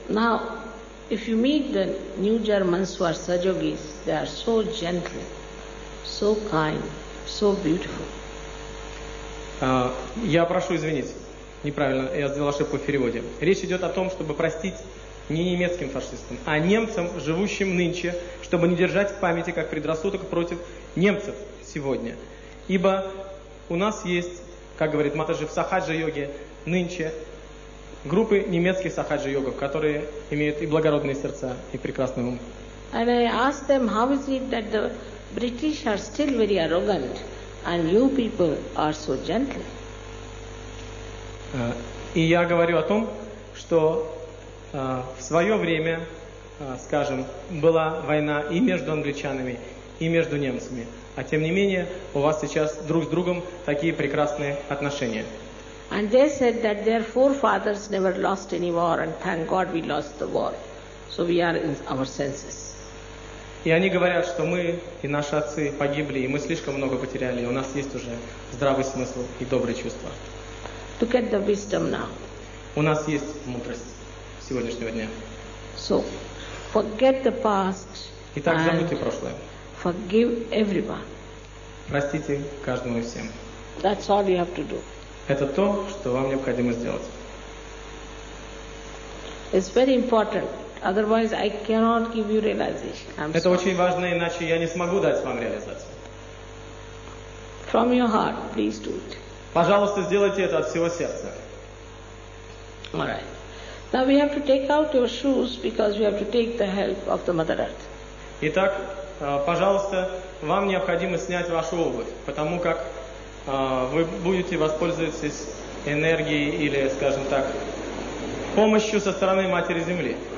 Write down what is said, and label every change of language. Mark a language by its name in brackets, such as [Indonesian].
[English] Now, if you meet the new Germans who are Sahajogis, they are so gentle, so kind, so beautiful. [Russian] Я прошу извинить. Неправильно, я сделал ошибку в переводе. Речь идет о том, чтобы простить не немецким фашистам, а немцам, живущим нынче, чтобы не держать в памяти как предрассудок против немцев сегодня. Ибо у нас есть, как говорит Матаджи, в Сахаджа-йоге нынче группы немецких Сахаджа-йогов, которые имеют и благородные сердца, и прекрасный ум. [English] And I asked them, how is it that the British are still very arrogant and you people are so gentle? [Russian] И я говорю о том, что в свое время, скажем, была война и между англичанами, и между немцами. А тем не менее, у вас сейчас друг с другом такие прекрасные отношения. [English] And they said that their forefathers never lost any war, and thank God we lost the war. So we are in our senses. [Russian] И они говорят, что мы и наши отцы погибли, и мы слишком много потеряли, и у нас есть уже здравый смысл и добрые чувства. [English] Look at the wisdom now. [Russian] У нас есть мудрость. Сегодняшнего дня. [English] So, forget the past. [Russian] Итак, забудьте прошлое. [English] Forgive everyone. [Russian] Простите каждому и всем. [English] That's all you have to do. [Russian] Это то, что вам необходимо сделать. [English] It's very important. Otherwise, I cannot give you realization. I'm [Russian] Это [English] sorry. [Russian] Очень важно, иначе я не смогу дать вам реализацию. [English] From your heart, please do it. [Russian] Пожалуйста, сделайте это от всего сердца. [English] All right. Now we have to take out your shoes because we have to take the help of the Mother Earth. [Russian] Итак, пожалуйста, вам необходимо снять вашу обувь, потому как вы будете воспользоваться энергией или, скажем так, помощью со стороны Матери Земли.